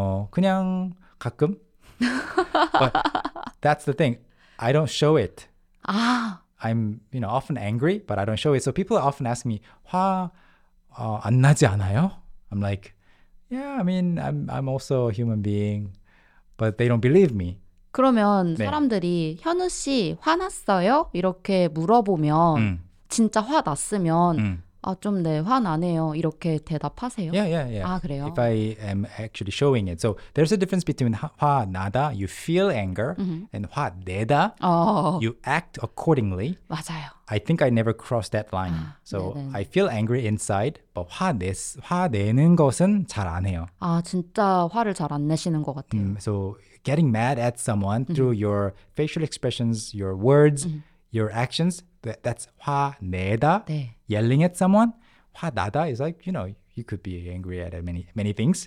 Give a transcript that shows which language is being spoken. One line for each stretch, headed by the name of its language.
Korean: 그냥 가끔.
English: But that's the thing. I don't show it. 아. I'm, you know, often angry, but I don't show it. So people often ask me,
Korean: 화 안 나지 않아요?
English: I'm like, yeah, I mean, I'm also a human being, but they don't believe me.
Korean: 그러면 네. 사람들이 현우 씨 화났어요? 이렇게 물어보면 진짜 화 났으면 화 나네요 이렇게 대답하세요.
English: Yeah, yeah, yeah.
Korean: 아, 그래요?
English: If I am actually showing it. So there's a difference between 화 나다, you feel anger, and 화 내다, you act accordingly.
Korean: 맞아요.
English: I think I never crossed that line. 아, so
Korean: 네네.
English: I feel angry inside, but
Korean: 화 내는 것은 잘 안 해요. 아, 진짜 화를 잘 안 내시는 것 같아요.
English: So getting mad at someone through your facial expressions, your words, your actions, that's 화 내다,
Korean: 네.
English: yelling at someone. 화 나다 is like, you know, you could be angry at many things.